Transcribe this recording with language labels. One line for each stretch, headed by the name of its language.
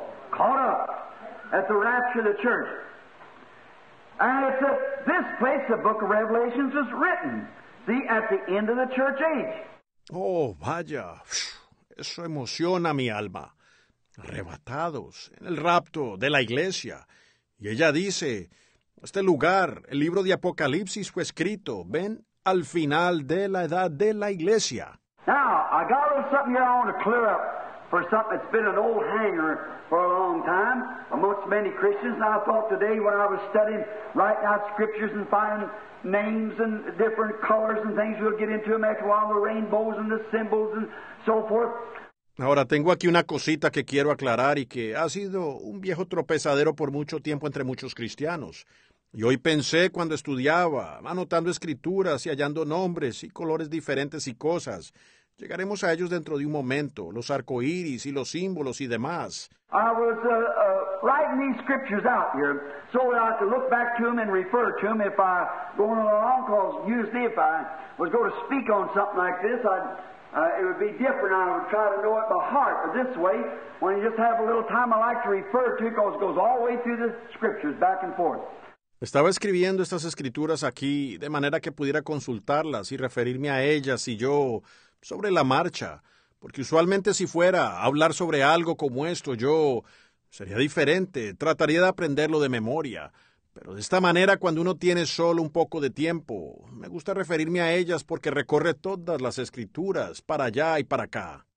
English: Caught up at the rapture of the church. And it's at this place the book of Revelations is written. See, at the end of the church age.
Spanish: Oh, vaya, eso emociona mi alma. Arrebatados en el rapto de la iglesia. Y ella dice, este lugar, el libro de Apocalipsis fue escrito, ven al final de la edad de la iglesia.
English: Now, I got a little something here I want to clear up for something that's been an old hanger for a long time amongst many Christians. And I thought today when I was studying, writing out scriptures and finding names and different colors and things, we'll get into them after a while, the rainbows and the symbols and so forth.
Spanish: Ahora, tengo aquí una cosita que quiero aclarar y que ha sido un viejo tropezadero por mucho tiempo entre muchos cristianos. Y hoy pensé cuando estudiaba, anotando escrituras y hallando nombres y colores diferentes y cosas. Llegaremos a ellos dentro de un momento, los arcoíris y los símbolos y demás.
English: I was writing these scriptures out here so that I could look back to them and refer to them if I going along, because usually if I was going to speak on something like this, it would be different. I would try to know it by heart, but this way, when you just have a little time, I like to refer to it because it goes all the way through the scriptures, back and forth.
Spanish: Estaba escribiendo estas escrituras aquí de manera que pudiera consultarlas y referirme a ellas y yo sobre la marcha, porque usualmente si fuera a hablar sobre algo como esto, yo sería diferente, trataría de aprenderlo de memoria. Pero de esta manera, cuando uno tiene solo un poco de tiempo, me gusta referirme a ellas porque recorre todas las escrituras para allá y para acá.